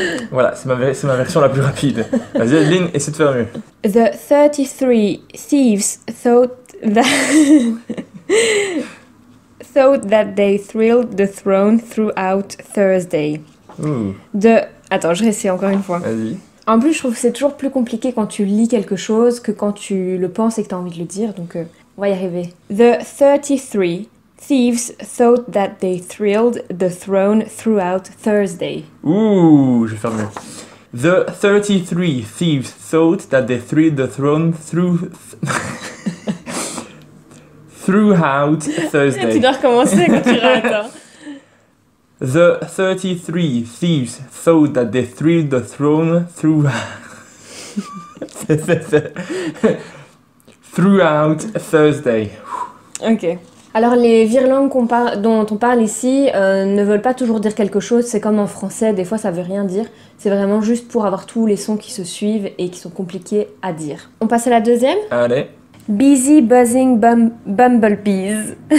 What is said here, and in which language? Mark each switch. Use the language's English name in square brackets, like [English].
[French] Voilà, c'est ma version la plus rapide. Vas-y, Adeline, essaie de faire mieux. [English] The 33 thieves thought that they thrilled the throne throughout Thursday. [French] Attends, je réessaie encore une fois. Vas-y. En plus, je trouve que c'est toujours plus compliqué quand tu lis quelque chose que quand tu le penses et que tu as envie de le dire, donc on va y arriver. [English] The 33 thieves thought that they thrilled the throne throughout Thursday. [French] Ouh, je vais faire mieux. [English] The 33 thieves thought that they thrilled the throne throughout Thursday. [French] Tu dois recommencer quand tu rates, hein. [English] The 33 thieves thought that they thrilled the throne throughout Thursday. [French] Ok. Alors les virelangues dont on parle ici ne veulent pas toujours dire quelque chose. C'est comme en français, des fois ça veut rien dire. C'est vraiment juste pour avoir tous les sons qui se suivent et qui sont compliqués à dire. On passe à la deuxième? Allez. [English] Busy buzzing bumblebees.